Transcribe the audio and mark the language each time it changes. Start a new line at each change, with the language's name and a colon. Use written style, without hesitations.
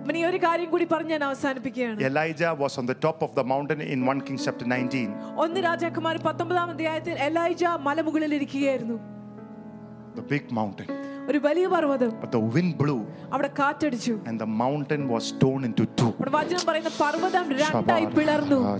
Malayalam: മനി ഒരു കാര്യം കൂടി പറഞ്ഞു ഞാൻ അവസാനിപ്പിക്കുകയാണ്.
English: Elijah was on the top of the mountain in 1 Kings chapter 19.
Malayalam: ഒന്ന് രാജാക്കന്മാർ 19-ാം അധ്യായത്തിൽ Elijah മലമുകളിൽ ഇരിക്കുകയായിരുന്നു.
English: The big mountain.
Malayalam: ഒരു വലിയ പർവതം.
English: But the wind blew.
Malayalam: അവിടെ കാറ്റടിച്ചു.
English: And the mountain was torn into two.
Malayalam: അവിടെ വചനം പറയുന്ന പർവതം രണ്ടായി പിളർന്നു.